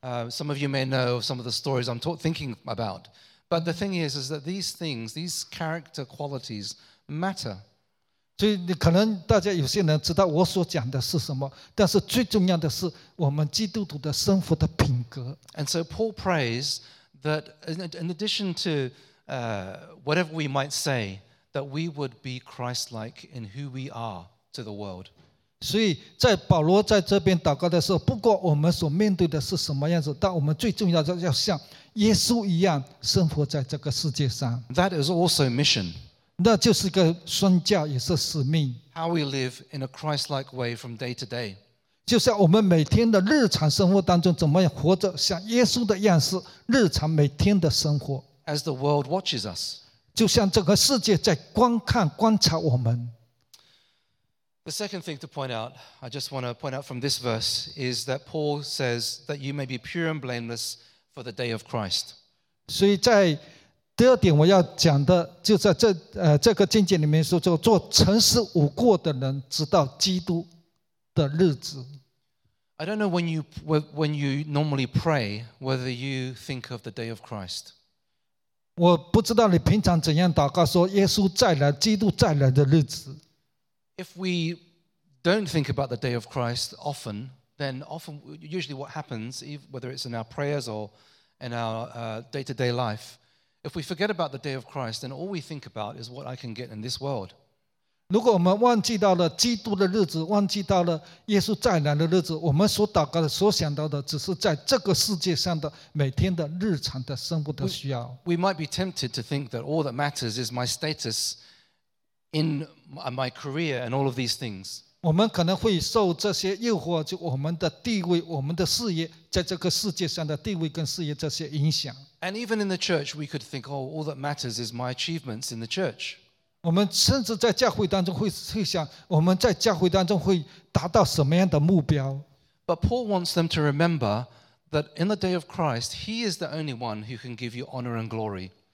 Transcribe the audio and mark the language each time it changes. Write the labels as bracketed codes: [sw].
[en] some of you may know some of the stories I'm thinking about but the thing is that these things these character qualities matter [zh] 所以可能大家有些人知道我所讲的是什么，但是最重要的是我们基督徒的生活的品格。 [en] And so Paul prays that in addition to whatever we might say, that we would be Christ-like in who we are to the world. [zh] 所以在保罗在这边祷告的时候，不过我们所面对的是什么样子，但我们最重要的要像耶稣一样生活在这个世界上。 [en] That is also mission. [zh] 那就是个宣教，也是使命。 [en] How we live in a Christ-like way from day to day， [zh] 就像我们每天的日常生活当中，怎么样活着像耶稣的样式，日常每天的生活。 [en] As the world watches us， [zh] 就像这个世界在观看、观察我们。 [en] The second thing to point out, I just want to point out from this verse, is that Paul says that you may be pure and blameless for the day of Christ。 [zh] 所以在第二点我要讲的就在 这个经节里面说做诚实无过的人直到基督的日子 [en] I don't know when you normally pray whether you think of the day of Christ [zh] 我不知道你平常怎样祷告说耶稣再来基督再来的日子 [en] If we don't think about the day of Christ often then often usually what happens whether it's in our prayers or in our day-to-day lifeIf we forget about the day of Christ, then all we think about is what I can get in this world. [zh] 如果我们忘记到了基督的日子，忘记到了耶稣再来的日子，我们所祷告的、所想到的，只是在这个世界上的每天的日常的生活的需要。 [en] We might be tempted to think that all that matters is my status in my career and all of these things. [zh] 我们可能会受这些诱惑，就我们的地位、我们的事业，在这个世界上的地位跟事业这些影响。 [en] And even in the church, we could think, oh, all that matters is my achievements in the church. [zh] 我们甚至在教会当中会想，我们在教会当中会达到什么样的目标？ [en] But Paul wants them to remember that in the day of Christ, he is the only one who can give you honor and glory.